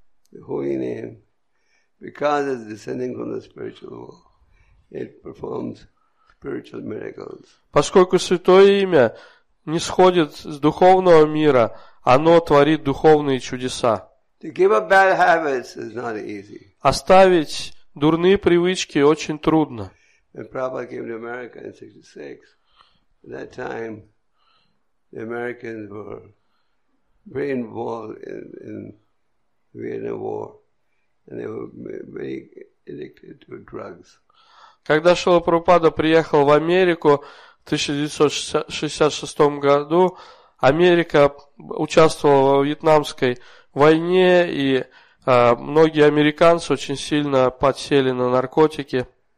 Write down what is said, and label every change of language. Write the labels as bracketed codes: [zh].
[ru] Святое Имя, [en] because it's descending from the spiritual world, it performs spiritual miracles. [ru] Поскольку Святое Имя не сходит с духовного мира, оно творит духовные чудеса. [en] To give up bad habits is not easy. [ru] Оставить дурные привычки очень трудно. [en] When Prabhupada came to America in 66, at that time the Americans were very involved in the Vietnam War and they were very addicted to drugs. [ru] Когда Шрила Прабхупада приехал в Америку в 1966 году, Америка участвовала во Вьетнамской войне, и многие американцы очень сильно подсели на наркотики.